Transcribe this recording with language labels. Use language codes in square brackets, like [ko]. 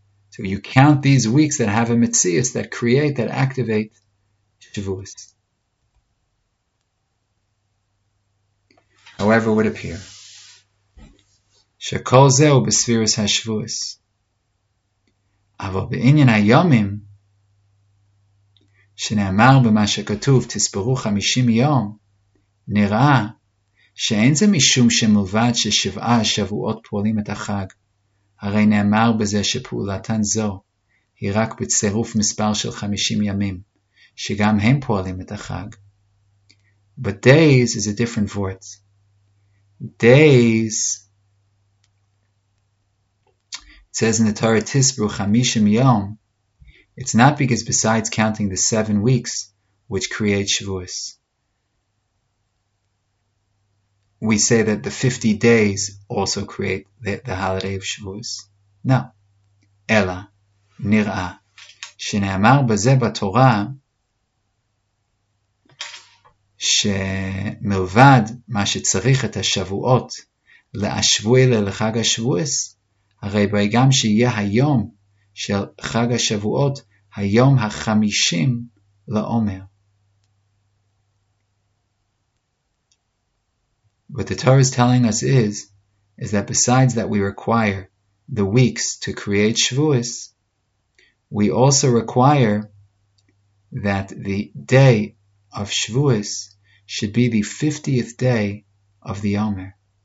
[en] So you count these weeks that have a mitzvah, that create, that activate Shavuos. However it would appear, [he] Shekol zeh b'sfiras ha-Shavuos. Aval b'inyan ha-yomim, שנאמר במה שכתוב, תספרו 50 יום, נראה שאין זה משום שמלבד ששבעה שבועות פועלים את החג, הרי נאמר בזה שפעולתן זו היא רק בצירוף מספר של 50 ימים, שגם הם פועלים את החג. [en] But days is a different word. Days, it says in the Torah, [he] Tisbru 50 yom. [en] It's not because besides counting the 7 weeks, which create Shavuos, we say that the 50 days also create the holiday of Shavuos. No. [he] Ela, nira, shenamar baze b'Torah, שמלבד מה שצריך את השבועות להשבועי לחג השבועס, הרי בי גם שיהיה היום של חג השבועות, היום החמישים לעומר. [en] What the Torah is telling us is that besides that we require the weeks to create Shavuos, we also require that the day of Shavuos should be the 50th day of the Omer.